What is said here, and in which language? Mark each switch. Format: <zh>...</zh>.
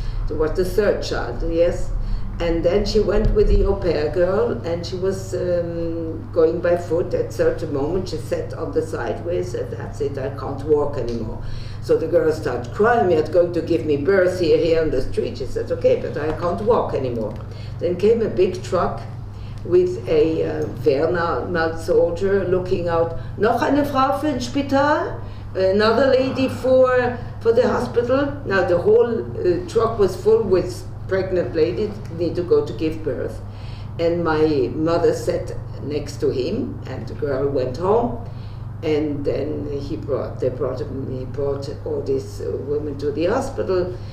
<en>It was the third child, yes. And then she went with the au pair girl, and she was going by foot. At certain moment, she sat on the sideways, and that's it, I can't walk anymore. So the girl started crying, you're going to give me birth here on the street. She said, okay, but I can't walk anymore. Then came a big truck with a Wehrmacht soldier looking out,</en> <de>noch eine Frau für ein Spital?</de> <en>Another lady for the hospital? Now the whole truck was full with pregnant ladies need to go to give birth. And my mother sat next to him, and the girl went home. And then he brought all these women to the hospital.</en>